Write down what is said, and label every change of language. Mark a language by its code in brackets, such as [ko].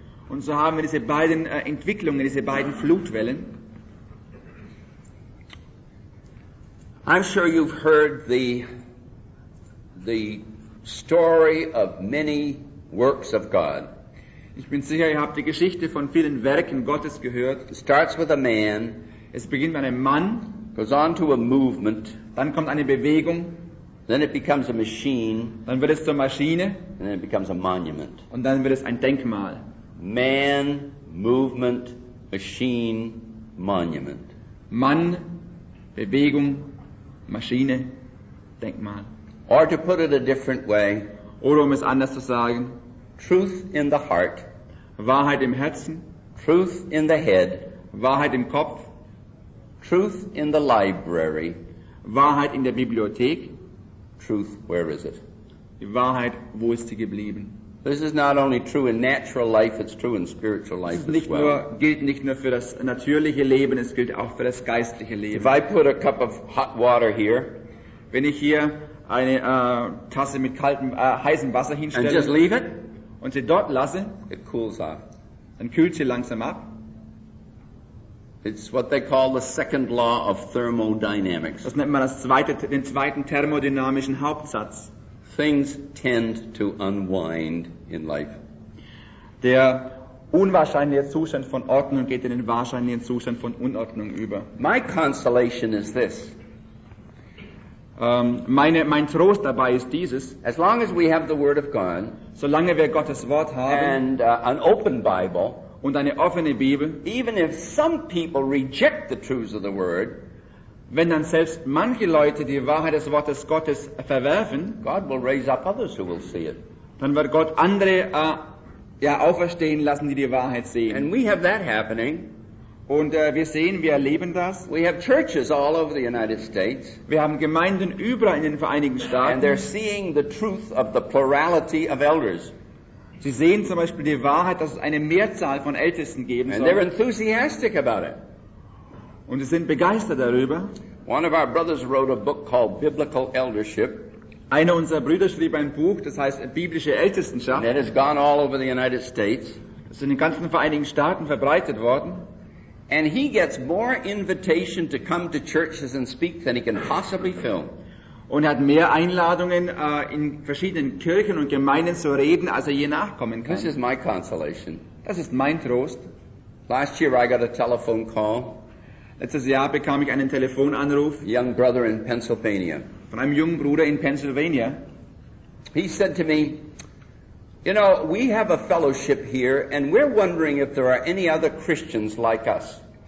[de] Und so haben wir diese beiden Entwicklungen, diese beiden Flutwellen. [en] I'm sure you've heard the story of many works of God. [de] Ich bin sicher, ihr habt die Geschichte von vielen Werken Gottes gehört. [en] It starts with a man. [de] Es beginnt mit einem Mann. [en] Goes on to a movement. [de] Dann kommt eine Bewegung. [en] Then it becomes a machine. [de] Dann wird es zur Maschine. [en] And then it becomes a monument. [de] Und dann wird es ein Denkmal. [en] Man, movement, machine, monument. [de] Mann, Bewegung, Maschine, Denkmal. [en] Or to put it a different way. [de] Oder um es anders zu sagen. [en] Truth in the heart. [de] Wahrheit im Herzen. [en] Truth in the head. [de] Wahrheit im Kopf. [en] Truth in the library. [de] Wahrheit in der Bibliothek. [en] Truth, where is it? [de] Die Wahrheit, wo ist sie geblieben? [en] This is not only true in natural life, it's true in spiritual life as well. [de] Das gilt nicht nur für das natürliche Leben, es gilt auch für das geistliche Leben. [en] If I put a cup of hot water here, [de] wenn ich hier eine Tasse mit kaltem heißem Wasser hinstelle [en] and just leave it, [de] und sie dort lasse, [en] it cools off. [de] Dann kühlt sie langsam ab. [en] It's what they call the second law of thermodynamics. [de] Das nennt man den zweiten thermodynamischen Hauptsatz. [en] Things tend to unwind in life. [de] Der unwahrscheinliche Zustand von Ordnung geht in den wahrscheinlichen Zustand von Unordnung über. [en] My consolation is this. [de] Mein Trost dabei ist dieses. [en] As long as we have the Word of God, [de] solange wir Gottes Wort haben, [en] and an open Bible, [de] und eine offene Bibel, [en] even if some people reject the truths of the word, [de] wenn dann selbst manche Leute die Wahrheit des Wortes Gottes verwerfen, [en] God will raise up others who will see it. [de] Dann wird Gott andere auferstehen lassen, die Wahrheit sehen. [en] And we have that happening. [de] Und wir erleben das. [en] We have churches all over the United States. [de] Wir haben Gemeinden überall in den Vereinigten Staaten. [en] And they're seeing the truth of the plurality of elders. [de] Sie sehen zum Beispiel die Wahrheit, dass es eine Mehrzahl von Ältesten geben soll. [en] And they're enthusiastic about it. [de] Und sie sind begeistert darüber. [en] One of our brothers wrote a book called Biblical Eldership. [de] Einer unserer Brüder schrieb ein Buch, das heißt biblische Ältestenschaft. [en] That has gone all over the United States. [de] Das ist in den ganzen Vereinigten Staaten verbreitet worden. [en] And he gets more invitation to come to churches and speak than he can possibly fill. [de] Und hat mehr Einladungen in verschiedenen Kirchen und Gemeinden zu reden, als er je nachkommen kann. [en] This is my consolation. [de] Das ist mein Trost. [en] Last year I got a telephone call. [de] Letztes Jahr bekam ich einen Telefonanruf. [en] Young brother in Pennsylvania. [de] Von einem jungen Bruder in Pennsylvania. [en] He said to me, you know, we have a fellowship here and we're wondering if there are any other Christians like us.